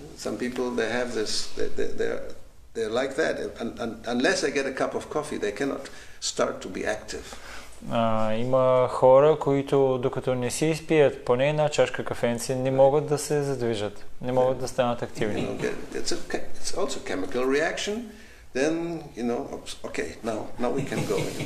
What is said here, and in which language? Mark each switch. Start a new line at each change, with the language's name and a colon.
English: Some people, they have this, they're like that, and unless they get a cup of coffee, they cannot start to be active.
Bulgarian: Има хора, които докато не си изпият поне една чашка кафенци, не могат да се задвижат, не могат да станат активни.
English: Okay. It's also a chemical reaction. Then, you know, oops, okay, now we can go.